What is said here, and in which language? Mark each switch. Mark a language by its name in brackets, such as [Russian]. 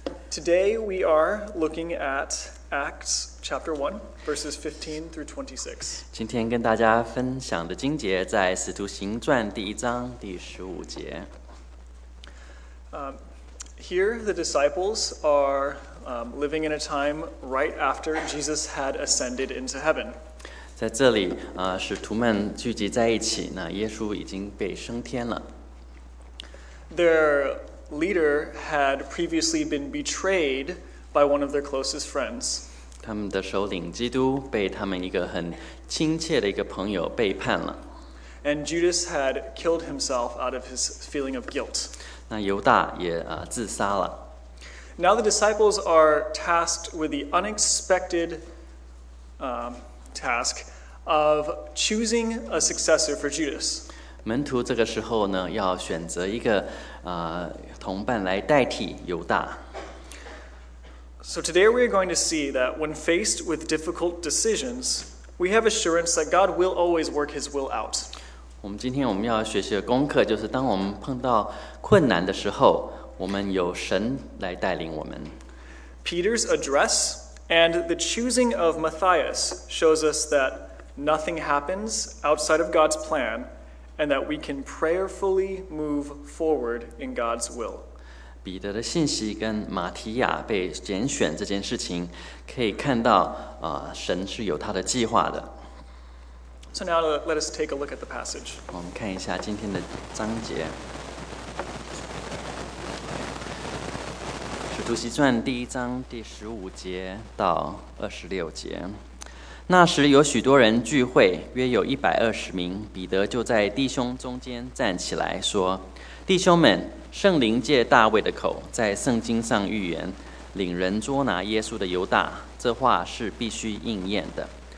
[English] Today we are looking at Acts chapter 1, verses 15 through 26. [Chinese] 今天跟大家分享的经节在《使徒行传》第一章第十五节。 [English] Here the disciples are living in a time right after Jesus had ascended into heaven. [Chinese] 在这里，使徒们聚集在一起，那耶稣已经被升天了。 [English] Their leader had previously been betrayed by one of their closest friends. [Chinese] 他们的首领基督被他们一个很亲切的一个朋友背叛了。 [English] And Judas had killed himself out of his feeling of guilt. [Chinese] 那犹大也自杀了。 [English] Now the disciples are tasked with the unexpected task of choosing a successor for Judas. [Chinese] 门徒这个时候呢，要选择一个同伴来代替犹大。 [English] So today we are going to see that when faced with difficult decisions, we have assurance that God will always work His will out. [Chinese] 我们今天我们要学习的功课就是，当我们碰到困难的时候。我们有神来带领我们。 [English] Peter's address and the choosing of Matthias shows us that nothing happens outside of God's plan and that we can prayerfully move forward in God's will. [Chinese] 彼得的信息跟马提亚被拣选这件事情可以看到神是有他的计划的。 [English] So now let us take a look at the passage. [Chinese] 我们看一下今天的章节。 《使徒行传》第一章第十五节到二十六节，那时有许多人聚会，约有一百二十名。彼得就在弟兄中间站起来说：“弟兄们，圣灵借大卫的口，在圣经上预言，领人捉拿耶稣的犹大，这话是必须应验的。